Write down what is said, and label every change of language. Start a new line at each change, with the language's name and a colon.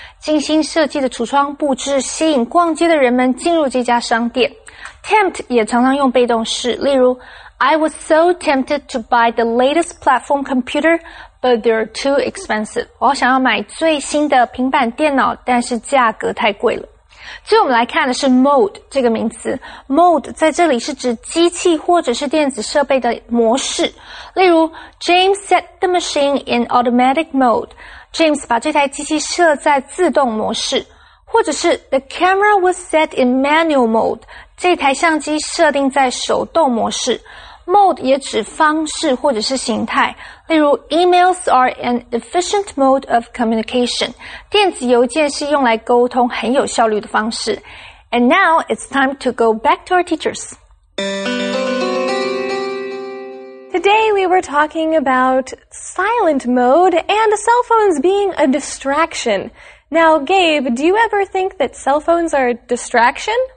Chinese: 精心设计的橱窗布置吸引逛街的人们进入这家商店。 Tempt 也常常用被动式。例如
English: ,I was so tempted to buy the latest platform computer, but they're too expensive.
Chinese: 我想要买最新的平板电脑但是价格太贵了。所以我们来看的是 mode 这个名词。mode 在这里是指机器或者是电子设备的模式。例如
English: ,James set the machine in automatic mode.
Chinese: James 把这台机器设在自动模式。或者是
English: ,the camera was set in manual mode.
Chinese: 这台相机设定在手动模式。 mode 也指方式或者是形态。例如 ,
English: emails are an efficient mode of communication.
Chinese: 电子邮件是用来沟通很有效率的方式。
English: And now, it's time to go back to our teachers. Today, we were talking about silent mode and cell phones being a distraction. Now, Gabe, do you ever think that cell phones are a distraction?